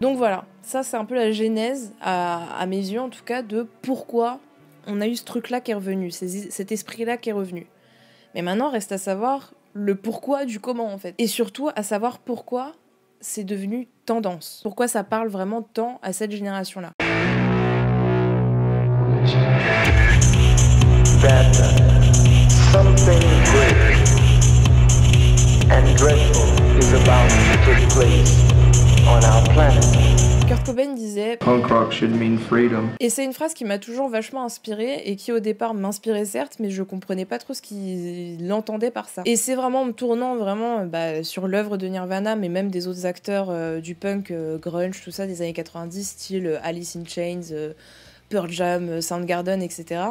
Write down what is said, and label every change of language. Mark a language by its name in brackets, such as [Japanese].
[French] Donc voilà, ça c'est un peu la genèse, à mes yeux en tout cas, de pourquoi on a eu ce truc-là qui est revenu, cet esprit-là qui est revenu. Mais maintenant reste à savoir le pourquoi du comment en fait. Et surtout à savoir pourquoi c'est devenu tendance. Pourquoi ça parle vraiment tant à cette génération-là. [English] That something great and dreadful is about to take place on our planet. [French] Kurt Cobain disait « [English] Punk rock should mean freedom ». [French] Et c'est une phrase qui m'a toujours vachement inspirée et qui au départ m'inspirait certes, mais je comprenais pas trop ce qu'il entendait par ça. Et c'est vraiment en me tournant vraiment sur l'œuvre de Nirvana, mais même des autres acteurs du punk, grunge, tout ça, des années 90, style Alice in Chains, Pearl Jam, Soundgarden, etc.